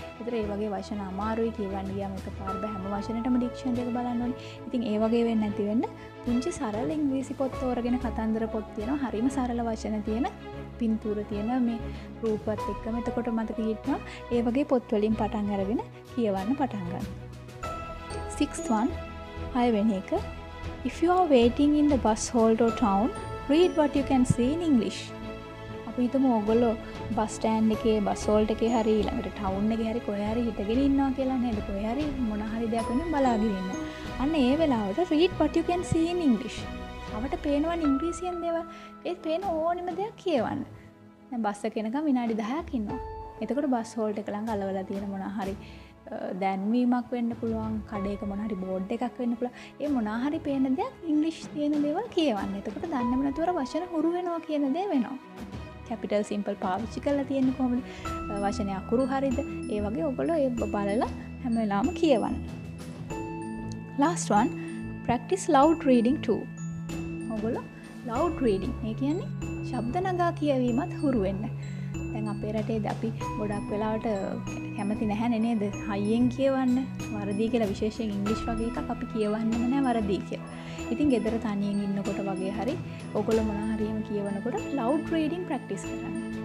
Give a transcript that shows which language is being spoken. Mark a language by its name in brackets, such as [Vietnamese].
[Sinhala] ඒතර ඒ වගේ වචන අමාරුයි කියවන්න ගියාම එකපාර හැම වචනෙටම ඩික්ෂනරි එක බලන්න ඕනේ. ඉතින් ඒ වගේ වෙන්නේ නැති වෙන්න පුංචි සරල ඉංග්‍රීසි පොත් තෝරගෙන කතන්දර පොත් තියෙනවා. හරිම සරල වචන තියෙන පින්තූර තියෙන මේ රූපත් එක්කම එතකොට මතක හිටනවා. ඒ වගේ පොත් වලින් පටන් අරගෙන කියවන්න පටන් ගන්න. [English] 6th one, [Sinhala] 6 වෙනි එක. [English] If you are waiting in the bus hall or town, read what you can see in English. [Sinhala] විතම ඕගොල්ලෝ බස් ස්ටෑන්ඩ් එකේ බස් හෝල්ට් එකේ හරි ළඟට ටවුන් එකේ හරි කොහේ හරි හිටගෙන ඉන්නවා කියලා නේද? කොහේ හරි මොන හරි දෙයක් වෙන බලාගෙන ඉන්න. අන්න ඒ වෙලාවට [English] read what you can see in English. [Sinhala] අපිට පේනවා ඉංග්‍රීසියෙන් දේවල්. ඒත් පේන ඕනෙම දෙයක් කියවන්න. දැන් බස් එක යනකම් විනාඩි 10ක් ඉන්නවා. එතකොට බස් හෝල්ට් එක ළඟ අලවලා තියෙන මොන හරි දැන්වීමක් වෙන්න පුළුවන්, කඩේක මොන හරි බෝඩ් එකක් වෙන්න පුළුවන්. ඒ මොන හරි පේන දෙයක් ඉංග්‍රීසි තියෙන දේවල් කියවන්න. එතකොට දන්නම නැතුවර වචන හුරු වෙනවා කියන දේ වෙනවා. කැපිටල් සිම්පල් පාවිච්චි කරලා තියෙන්නේ කොහොමද? වචනේ අකුරු හරියද? ඒ වගේ ඔයගොල්ලෝ ඒ බලලා හැම වෙලාවම කියවන්න. [English] Last one, practice loud reading too. [Sinhala] ඔයගොල්ලෝ loud reading. ඒ කියන්නේ ශබ්ද නගා කියවීමත් හුරු වෙන්න. දැන් අපේ රටේද අපි ගොඩක් වෙලාවට කැමති නැහැ නේද හයියෙන් කියවන්න වරදී කියලා, විශේෂයෙන් ඉංග්‍රීසි වගේ එකක් අපි කියවන්නෙම නැහැ වරදී කියලා. ඉතින් ගෙදර තනියෙන් ඉන්නකොට වගේ හරි ඔයගොල්ලෝ මොනා හරිම කියවනකොට ලවුඩ් රීඩින් ප්‍රැක්ටිස් කරන්න.